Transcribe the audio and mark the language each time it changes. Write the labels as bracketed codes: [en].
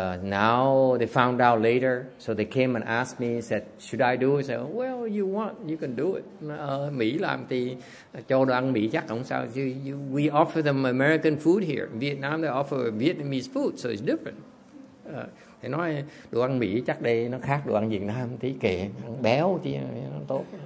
[en] Now they found out later, so they came and asked me, said, should I do it? I said, well, you want, you can do it. [vi] Mỹ làm thì cho đồ ăn Mỹ chắc không sao. [en] We offer them American food here. In Vietnam, they offer Vietnamese food, so it's different. [vi] They nói, đồ ăn Mỹ chắc đây nó khác đồ ăn Việt Nam, tí kệ, ăn béo chứ, nó tốt.